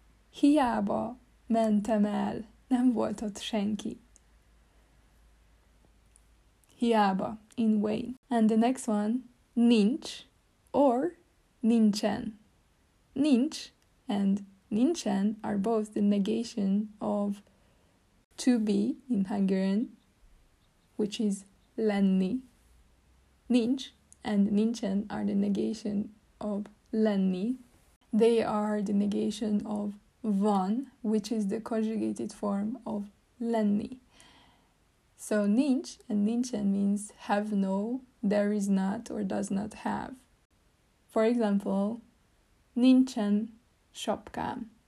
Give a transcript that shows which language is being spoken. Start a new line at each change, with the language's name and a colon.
Hungarian: Hiába mentem el, nem volt ott senki.
English: Hiába, in vain. And the next one, nincs, or nincsen. Nincs and nincsen are both the negation of to be in Hungarian, which is lenni. Nincs and nincsen are the negation of lenni. They are the negation of van, which is the conjugated form of lenni. So nincs and nincsen means have no, there is not or does not have. For example,
Hungarian: nincsen sapkám.